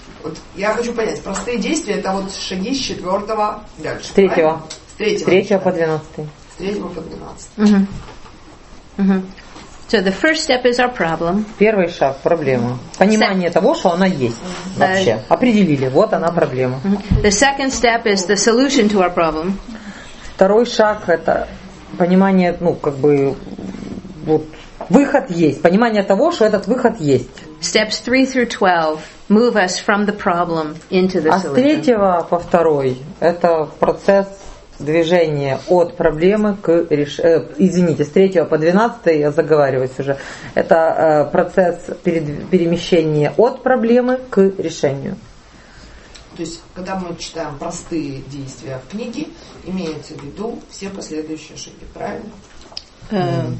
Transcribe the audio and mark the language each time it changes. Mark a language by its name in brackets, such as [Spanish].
[Russian] Вот я хочу понять, простые действия — это вот шаги с четвертого дальше. С третьего. С третьего. С третьего по двенадцатый. С третьего по двенадцатый. [English] So the first step is our problem. [Russian] Первый шаг — проблема. Понимание того, что она есть вообще. Определили, вот она проблема. [English] The second step is the solution to our problem. [Russian] Второй шаг — это понимание, ну как бы вот выход есть. Понимание того, что этот выход есть. [English] Steps 3 through 12 move us from the problem into the solution. [Russian] А с третьего по второй — это процесс движение от проблемы к решению. Извините, с третьего по двенадцатый, я заговариваюсь уже. Это процесс перемещения от проблемы к решению. То есть, когда мы читаем простые действия в книге, имеется в виду все последующие шаги, правильно?